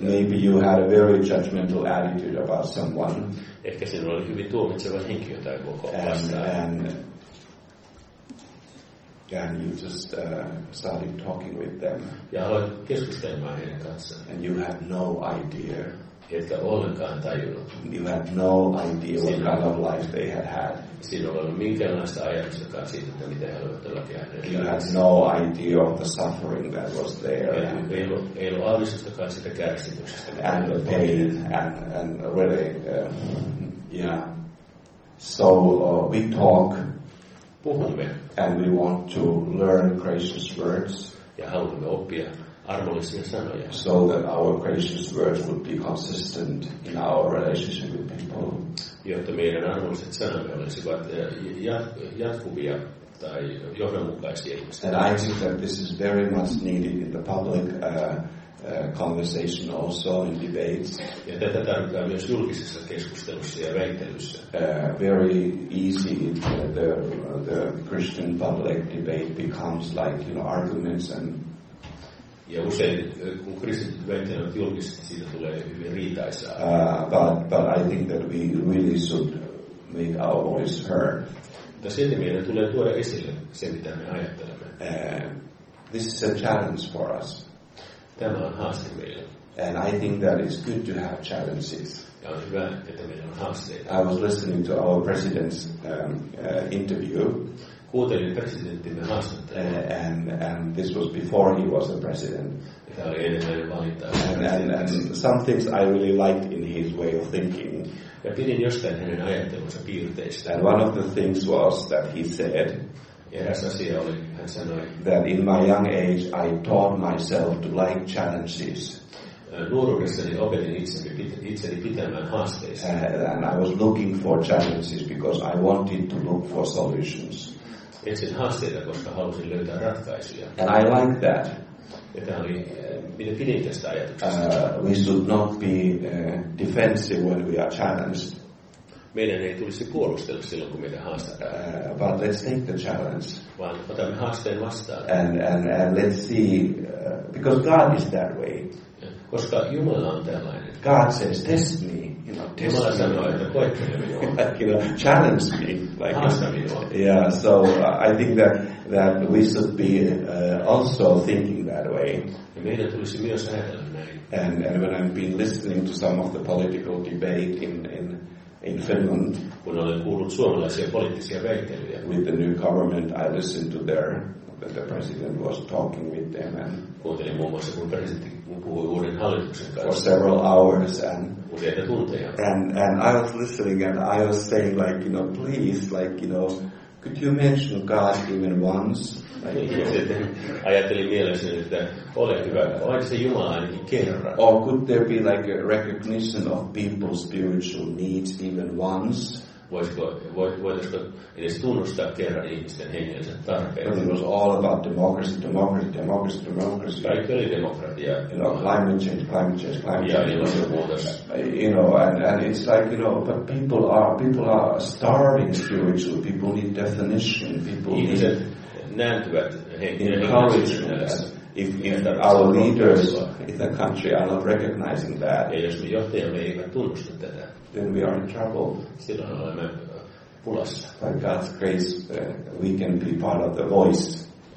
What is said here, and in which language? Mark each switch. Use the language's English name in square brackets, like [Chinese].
[English] Maybe you had a very judgmental attitude about someone. [Finnish] Ehkä sinulla oli hyvin tuomitseva henki jotain koko vastaan. [English] And you just started talking with them. [Finnish] Ja aloit keskustelemaan heidän kanssaan. [English] And you had no idea. [Finnish] Etkä ollenkaan tajunnut. [English] You had no idea what kind of life they had had. [Finnish] Siinä oli minkäänlaista ajatustakaan siitä, että mitä he olivat tällä. [English] You had no idea of the suffering that was there. [Finnish] Ei ollut aavistustakaan sitä kärsimyksestä. [English] And the pain and really, yeah. So we talk. [Finnish] Puhumme. [English] And we want to learn gracious words. [Finnish] Ja haluamme oppia. Arvollisia sanoja. [English] So that our gracious words would be consistent in our relationship with people. [Finnish] Jotta meidän arvolliset sanamme olisivat jatkuvia tai johdonmukaisia ihmisiä. [English] And I think that this is very much needed in the public conversation also in debates. [Finnish] Ja tätä tarvitaan myös julkisessa keskustelussa ja väittelyssä. [English] Very easy the Christian public debate becomes like, you know, arguments and. [Finnish] Ja usein, kun kristityt väittelevät julkisesti, siitä tulee hyvin riitaisaa. [English] But I think that we really should make our voice heard. [Finnish] Mutta silti meidän tulee tuoda esille se, mitä me ajattelemme. [English] This is a challenge for us. [Finnish] Tämä on haaste meille. [English] And I think that it's good to have challenges. [Finnish] Ja on hyvä, että meillä on haasteita. [English] I was listening to our president's interview. [Finnish] Kuuntelin presidenttimme haastattelua. [English] And this was before he was the president. [Finnish] Tämä oli ennen hänen valintaansa. [English] And some things I really liked in his way of thinking. [Finnish] Ja pidin jostain hänen ajattelunsa piirteistä. [English] And one of the things was that he said, [Finnish] eräs asia oli, hän sanoi, [English] that in my young age I taught myself to like challenges. [Finnish] Nuoruudessani opetin itseni pitämään haasteista. [English] And I was looking for challenges because I wanted to look for solutions. [Finnish] Etsin haasteita, koska halusin löytää ratkaisuja. [English] And I like that. [Finnish] Että oli, minä pidin tästä ajatuksesta. [English] We should not be defensive when we are challenged. [Finnish] Meidän ei tulisi puolustella silloin, kun meitä haastetaan. [English] But let's take the challenge. [Finnish] Vaan otamme haasteen vastaan. [English] And let's see, because God is that way. [Finnish] Koska Jumala on tällainen. [English] God says, test me. [Finnish] Jumala sanoo, että koettele minua. [English] Like, you know, challenge me. Like, [Finnish] haasta minua. [English] Yeah, so I think that we should be also thinking that way. [Finnish] Ja meidän tulisi myös ajatella näin. [English] And when I've been listening to some of the political debate in Finland, [Finnish] kun olen kuullut suomalaisia poliittisia väittelyjä, [English] with the new government, I listened to their, that the president was talking with them. And [Finnish] kuuntelin muun muassa, kun presidentti puhui uuden hallituksen kanssa. [English] For several hours and [Finnish] useita tunteja. [English] And I was listening and I was saying, like, you know, please, like, you know, could you mention God even once? Like, [Finnish] sitten ajattelin mielessä, että ole hyvä, olisi se Jumala ainakin kerran. [English] Or could there be like a recognition of people's spiritual needs even once? [Finnish] Voisiko edes tunnustaa kerran ihmisten hengelliset tarpeet? [English] But it was all about democracy. [Finnish] Kaikki oli demokratia. [English] You know, climate change. [Finnish] Ja ilmastonmuutos. [English] You know, and it's like, you know, but people are starving spiritually. People need definition. People [Finnish] ihmiset, [English] need. [Finnish] nääntyvät henkilöt. [English] If our leaders in the country are not recognizing that, [Finnish] ja jos me johtajamme eivät tunnusta tätä, [English] then we are in trouble. [Finnish] Silloin olemme pulassa. [English] By God's grace, we can be part of the voice.